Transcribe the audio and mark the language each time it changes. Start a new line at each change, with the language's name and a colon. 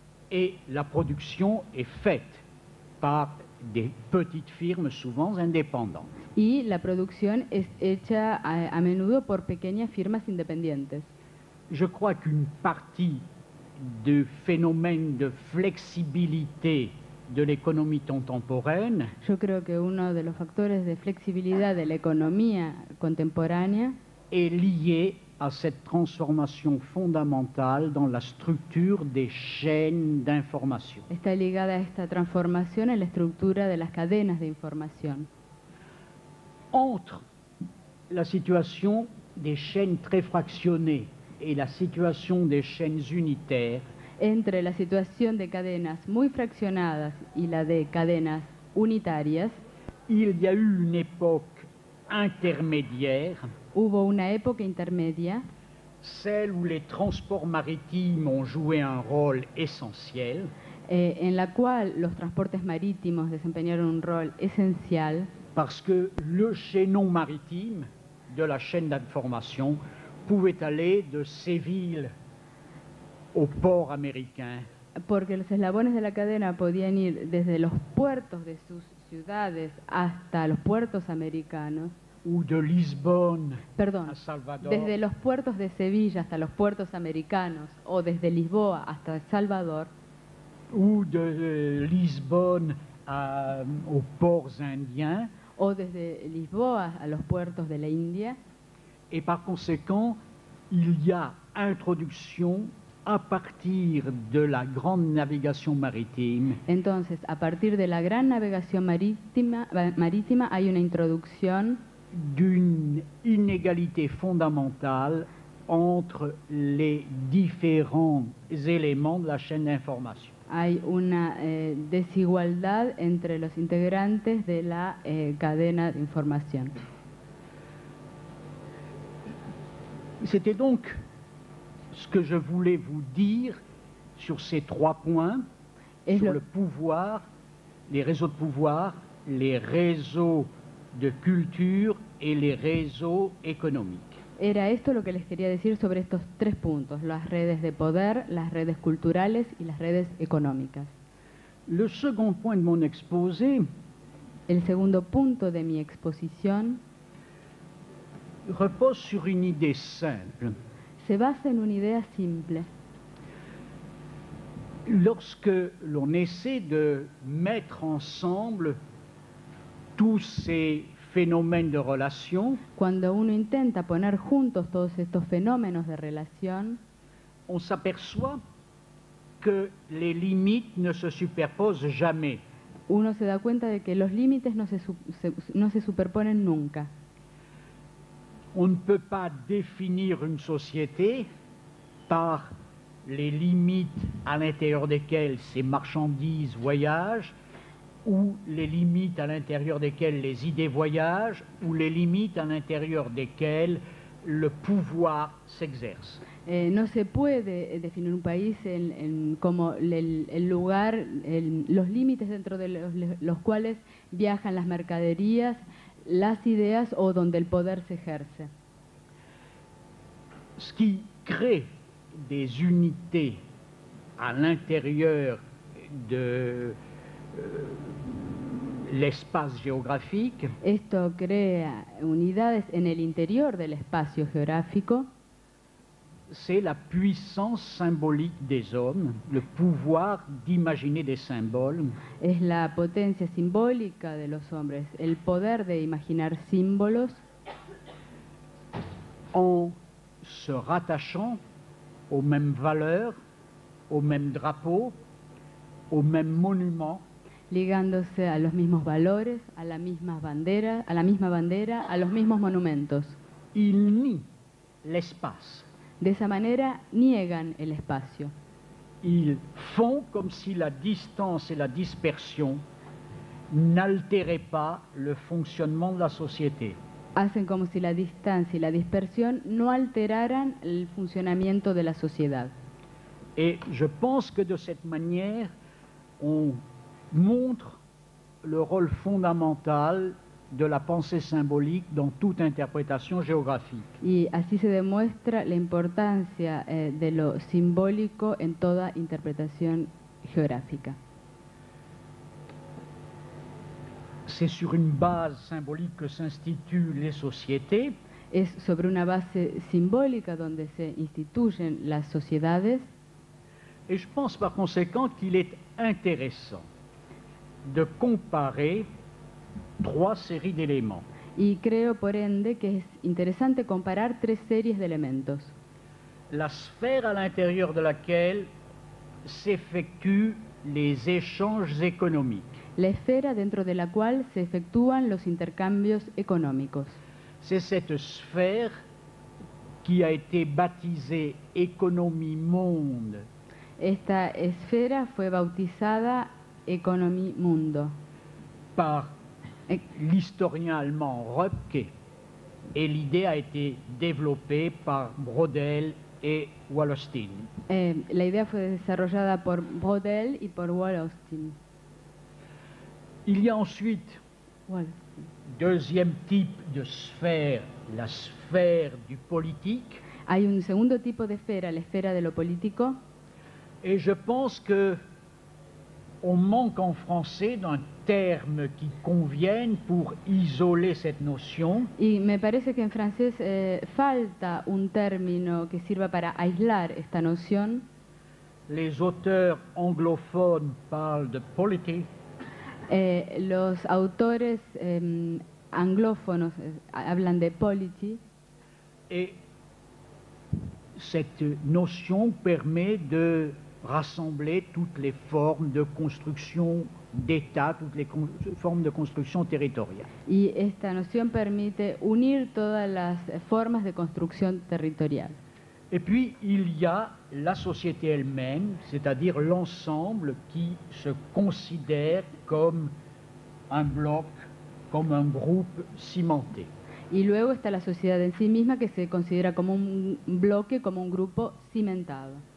French: Et la production est faite par des petites firmes, souvent indépendantes.
Spanish: Y la producción es hecha a menudo por pequeñas firmas independientes.
French: Je crois qu'une partie du phénomène de flexibilité de l'économie contemporaine.
Spanish: Yo creo que uno de los factores de flexibilidad de la economía contemporánea
French: est lié à cette transformation fondamentale dans la structure des chaînes d'information.
Spanish: Está ligada a esta transformación en la estructura de las cadenas de información.
French: Entre la situation des chaînes très fractionnées et la situation des chaînes unitaires.
Spanish: Entre la situación de cadenas muy fraccionadas y la de cadenas unitarias.
French: Il y a eu une époque intermédiaire.
Spanish: Hubo una época intermedia.
French: Celle où les transports maritimes ont joué un rôle essentiel.
Spanish: En la cual los transportes marítimos desempeñaron un rol esencial.
French: Parce que le chaînon maritime de la chaîne d'information pouvait aller de Séville au port américain.
Spanish: Porque los eslabones de la cadena podían ir desde los puertos de sus ciudades hasta los puertos americanos.
French: Ou de Lisbonne.
Spanish: Perdón,
French: à Salvador.
Spanish: Desde los puertos de Sevilla hasta los puertos americanos o desde Lisboa hasta Salvador.
French: Ou de Lisbonne à, aux ports indiens.
Spanish: O desde Lisboa a los puertos de la India.
French: Et par conséquent, il y a introduction à partir de la grande navigation maritime.
Spanish: Entonces, a partir de la gran navegación marítima hay una introducción
French: d'une inégalité fondamentale entre les différents éléments de la chaîne d'information.
Spanish: Hay una desigualdad entre los integrantes de la cadena de información.
French: C'était donc ce que je voulais vous dire sur ces trois points, sur le pouvoir, les réseaux de pouvoir, les réseaux de culture et les réseaux économiques.
Spanish: Era esto lo que les quería decir sobre estos tres puntos, las redes de poder, las redes culturales y las redes económicas.
French: Le second point de mon exposé,
Spanish: el segundo punto de mi exposición,
French: repose sur une idée simple.
Spanish: Se basa en una idea simple.
French: Lorsque l'on essaie de mettre ensemble tous ces phénomènes de relation,
Spanish: cuando uno intenta poner juntos todos estos fenómenos de relación,
French: on s'aperçoit que les limites ne se superposent jamais.
Spanish: Uno se da cuenta de que los límites no se superponen nunca.
French: On ne peut pas définir une société par les limites à l'intérieur desquelles ces marchandises voyagent, ou les limites à l'intérieur desquelles les idées voyagent, ou les limites à l'intérieur desquelles le pouvoir s'exerce.
Spanish: No se puede definir un país en como el lugar, los límites dentro de los cuales viajan las mercaderías, las ideas o donde el poder se ejerce.
French: Ce qui crée des unités à l'intérieur de l'espace géographique.
Spanish: Esto crea unidades en el interior del espacio geográfico.
French: C'est la puissance symbolique des hommes, le pouvoir d'imaginer des symboles.
Spanish: Es la potencia simbólica de los hombres, el poder de imaginar símbolos.
French: En se rattachant aux mêmes valeurs, aux mêmes drapeaux, aux mêmes monuments.
Spanish: Ligándose a los mismos valores, a la misma bandera, a la misma bandera, a los mismos monumentos.
French: Ils nient l'espace.
Spanish: De esa manera niegan el espacio.
French: Ils font comme si la distance et la dispersion n'altéraient pas le fonctionnement de la société.
Spanish: Hacen como si la distancia y la dispersión no alteraran el funcionamiento de la sociedad.
French: Et je pense que de cette manière on montre le rôle fondamental de la pensée symbolique dans toute interprétation géographique.
Spanish: Y así se demuestra la importancia de lo simbólico en toda interpretación geográfica.
French: C'est sur une base symbolique que s'instituent les sociétés.
Spanish: Es sobre una base simbólica donde se instituyen las sociedades.
French: Et je pense par conséquent qu'il est intéressant de comparer trois séries d'éléments.
Spanish: Y creo por ende que es interesante comparar tres series de elementos.
French: La sphère à l'intérieur de laquelle s'effectuent les échanges économiques.
Spanish: La esfera dentro de la cual se efectúan los intercambios económicos.
French: C'est cette sphère qui a été baptisée Économie Monde.
Spanish: Esta esfera fue bautizada Economy Mundo.
French: Par l'historien allemand Röpke, et l'idée a été développée par Braudel et Wallerstein.
Spanish: La idea fue desarrollada por Braudel y por Wallerstein.
French: Il y a ensuite deuxième type de sphère, la sphère du politique.
Spanish: Hay un segundo tipo de esfera, la esfera de lo político.
French: Et je pense que on manque en français d'un terme qui convienne pour isoler cette notion.
Spanish: Y me parece que en francés falta un término que sirva para aislar esta noción.
French: Les auteurs anglophones parlent de politique.
Spanish: Los autores anglófonos hablan de polity.
French: Et cette notion permet de rassembler toutes les formes de construction d'État, toutes les formes de construction territoriale.
Spanish: Y esta noción permite unir todas las formas de construcción territorial.
French: Et puis, il y a la société elle-même, c'est-à-dire l'ensemble qui se considère comme un bloc, comme un groupe cimenté.
Spanish: Y luego está la sociedad en sí misma que se considera como un bloque, como un grupo cimentado.